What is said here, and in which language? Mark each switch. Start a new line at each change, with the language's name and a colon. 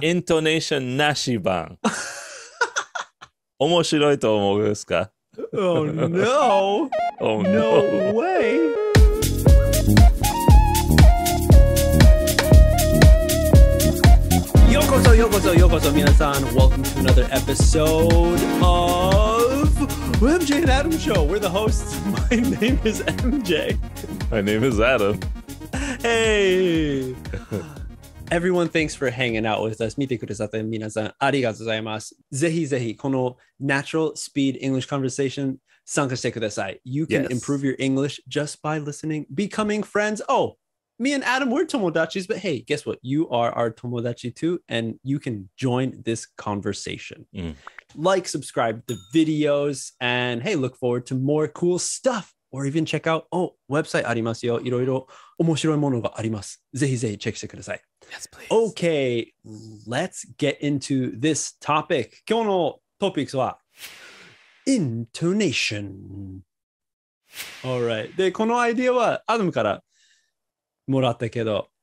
Japanese: Intonation なし版。面白いと思うんですか？
English: Oh no. Oh no. way.
Japanese: ようこそ、ようこそ、ようこそ、皆さん。
English: Welcome to another episode of MJ and Adam Show. We're the hosts. My name is MJ. My name is Adam. Hey! Everyone, thanks for hanging out with us.
Japanese: 見てくださって皆さん、ありがとうございます。ぜひぜひ、この
English: Natural Speed English Conversation
Japanese: 参加してください。
English: You can improve your English just by listening, becoming friends. Oh, me and Adam, we're tomodachis, but hey, guess what? You are our tomodachi too, and you can join this conversation. Mm. Like, subscribe to the videos, and hey, look forward to more cool stuff. Or even check out, oh,
Japanese: website ありますよ。いろいろ面白いものがあります。ぜひぜひチェックしてください。
English: Yes, please. Okay, let's get into this topic.
Japanese: 今日のトピックスは、intonation.
English: All right.
Japanese: で、このアイディアはアダムからもらったけど。